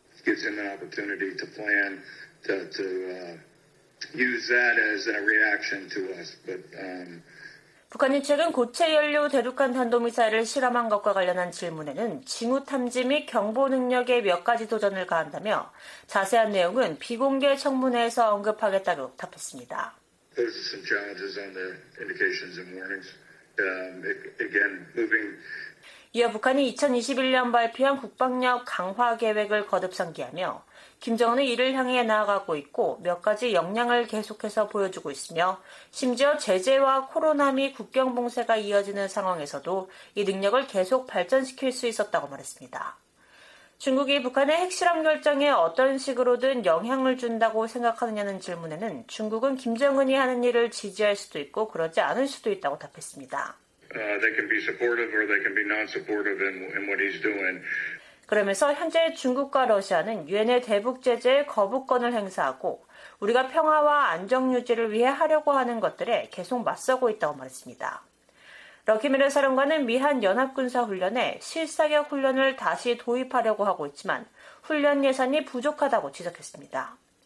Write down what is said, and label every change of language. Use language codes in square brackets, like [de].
[en] Gives him an opportunity to plan to use that as a reaction to us. But [ko] 북한이 최근 고체 연료 대륙간 탄도미사일을 실험한 것과 관련한 질문에는 징후 탐지 및 경보 능력에 몇 가지 도전을 가한다며 자세한 내용은 비공개 청문회에서 언급하겠다고 답했습니다. [en] There's some challenges on the indications and warnings. Again, moving. [ko] 이어 북한이 2021년 발표한 국방력 강화 계획을 거듭 상기하며 김정은은 이를 향해 나아가고 있고 몇 가지 역량을 계속해서 보여주고 있으며 심지어 제재와 코로나 및 국경 봉쇄가 이어지는 상황에서도 이 능력을 계속 발전시킬 수 있었다고 말했습니다. 중국이 북한의 핵실험 결정에 어떤 식으로든 영향을 준다고 생각하느냐는 질문에는 중국은 김정은이 하는 일을 지지할 수도 있고 그러지 않을 수도 있다고 답했습니다. [en] They can be supportive or they can be non-supportive in what he's doing. [ko] 그러면서 현재 중국과 러시아는 유엔의 대북 제재에 거부권을 행사하고 우리가 평화와 안정 유지를 위해 하려고 하는 것들에 계속 맞서고 있다고 말했습니다. 럭키미르 사령관은 미한 연합군사훈련에 실사격 훈련을 다시 도입하려고 하고 있지만 훈련 예산이 부족하다고 지적했습니다.